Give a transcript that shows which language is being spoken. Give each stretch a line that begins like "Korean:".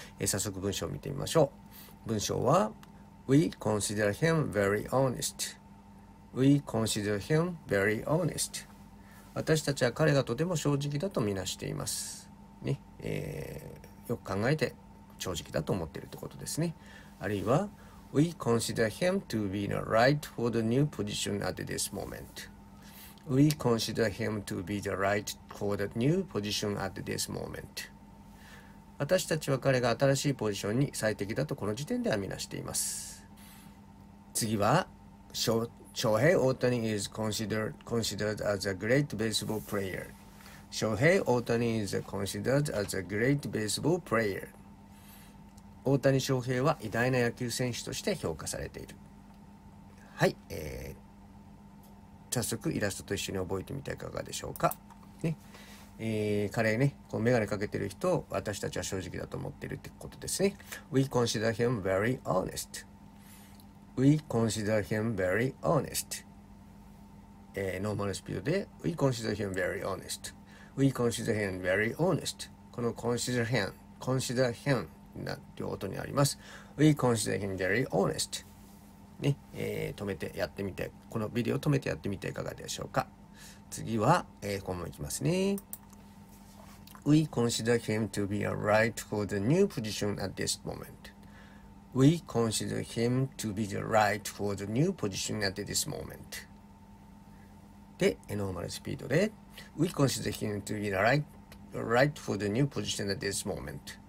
Japanese: 早速文章を見てみましょう。文章は
English: We consider him very honest. We consider him very honest.
Japanese: 私たちは彼がとても正直だと見なしています、ね、よく考えて正直だと思っているということですね。あるいは
English: We consider him to be right for the new position at this moment. We consider him to be the right for the new position at this moment.
Japanese: 私たちは彼が新しいポジションに最適だとこの時点では見なしています。次は、
English: Shohei Ohtani is considered as a great baseball player. Shohei Ohtani is considered as a great baseball player.
Japanese: 大谷翔平は偉大な野球選手として評価されている。はい、早速イラストと一緒に覚えてみていかがでしょうか、ね。彼ね、こうメガネかけてる人を私たちは正直だと思っているってことですね。
English: We consider him very honest. We consider him very honest.
Japanese: ノーマルスピードで
English: We consider him very honest. We consider him very honest.
Japanese: この
English: consider him
Japanese: な両音にあります。
English: We consider him very honest、ね。
Japanese: 止めてやってみて、このビデオ止めてやってみていかがでしょうか。次は、今もいきますね。
English: We consider him to be a right for the new position at this moment. We consider him to be the right for the new position at this moment.
Japanese: で、ノーマルスピードで
English: We consider him to be right for the new position at this moment.